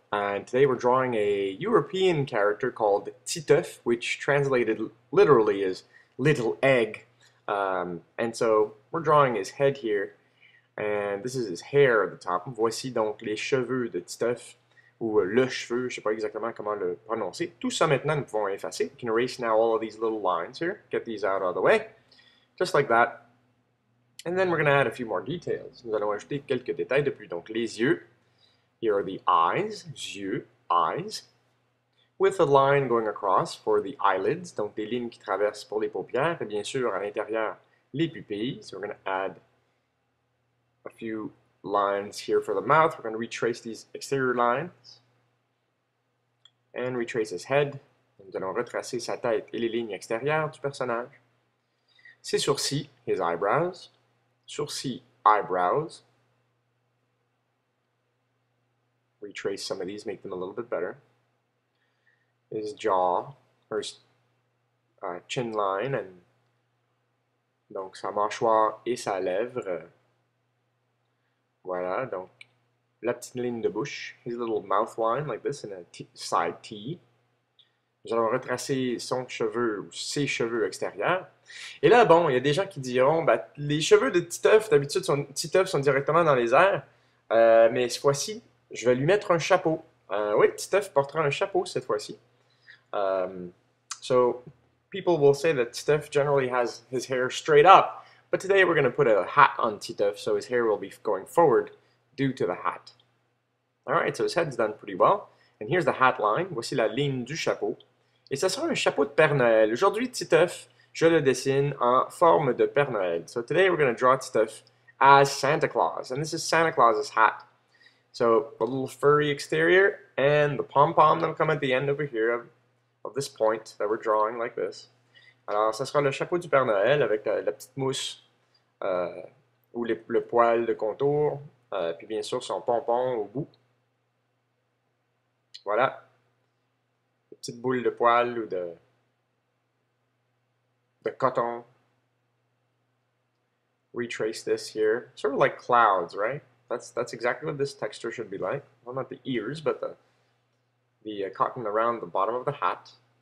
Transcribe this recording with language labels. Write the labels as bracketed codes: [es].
[en] And today, we're drawing a European character called Titeuf, which translated literally is little egg. And so, we're drawing his head here. And this is his hair at the top. [fr] Voici donc les cheveux de Titeuf. Ou le cheveu, je sais pas exactement comment le prononcer. Tout ça maintenant, nous pouvons effacer. [en] We can erase now all of these little lines here. Get these out of the way. Just like that. And then we're going to add a few more details. [fr] Nous allons ajouter quelques détails de plus. Donc, les yeux. [en] Here are the eyes. Yeux, eyes. With a line going across for the eyelids. [fr] Donc, des lignes qui traversent pour les paupières. Et bien sûr, à l'intérieur, les pupilles. [en] So we're going to add a few lines here for the mouth. We're going to retrace these exterior lines and retrace his head. [fr] Nous allons retracer sa tête et les lignes extérieures du personnage. Ses sourcils, [en] his eyebrows. [fr] Sourcils, [en] eyebrows. Retrace some of these, make them a little bit better. His jaw, or his chin line, and [fr] donc sa mâchoire et sa lèvre. Voilà, donc, la petite ligne de bouche. [en] His little mouth line, like this, in a side T. [fr] Nous allons retracer son cheveu ou ses cheveux extérieurs. Et là, bon, il y a des gens qui diront, ben, les cheveux de Titeuf, d'habitude, Titeuf sont directement dans les airs. Mais cette fois-ci, je vais lui mettre un chapeau. Oui, Titeuf portera un chapeau cette fois-ci. [en] So, people will say that Titeuf generally has his hair straight up. But today we're going to put a hat on Titeuf, so his hair will be going forward due to the hat. Alright, so his head's done pretty well. And here's the hat line. [fr] Voici la ligne du chapeau. Et ça sera un chapeau de Père Noël. Aujourd'hui, Titeuf, je le dessine en forme de Père Noël. [en] So today we're going to draw Titeuf as Santa Claus. And this is Santa Claus's hat. So a little furry exterior and the pom-pom that'll come at the end over here of this point that we're drawing like this. [fr] Alors, ça sera le chapeau du Père Noël avec la petite mousse ou le poil de contour. Puis, bien sûr, son pompon au bout. Voilà. Une petite boule de poil ou de coton. [en] Retrace this here. Sort of like clouds, right? That's exactly what this texture should be like. Well, not the ears, but the cotton around the bottom of the hat.